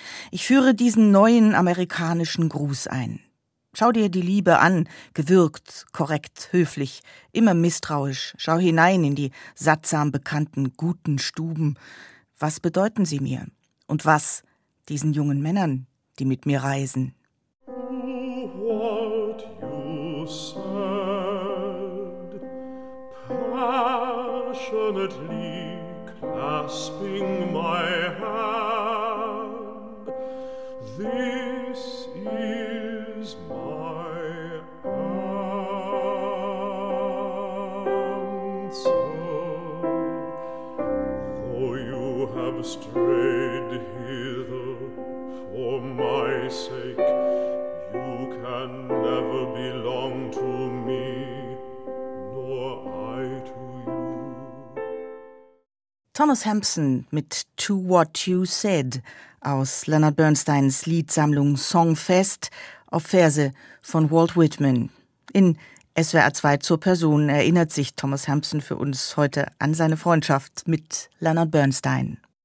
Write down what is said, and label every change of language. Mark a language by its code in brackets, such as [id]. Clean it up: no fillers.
[de] Ich führe diesen neuen amerikanischen Gruß ein. Schau dir die Liebe an, gewürgt, korrekt, höflich, immer misstrauisch. Schau hinein in die sattsam bekannten guten Stuben. Was bedeuten sie mir? Und was diesen jungen Männern, die mit mir reisen? [en] What you said, passionately clasping my hand, this is my answer. Though you have strayed hither for my sake, you can never belong to me, nor I to you. [de] Thomas Hampson mit To What You Said aus Leonard Bernsteins Liedsammlung Songfest auf Verse von Walt Whitman. In SWR 2 zur Person erinnert sich Thomas Hampson für uns heute an seine Freundschaft mit Leonard Bernstein.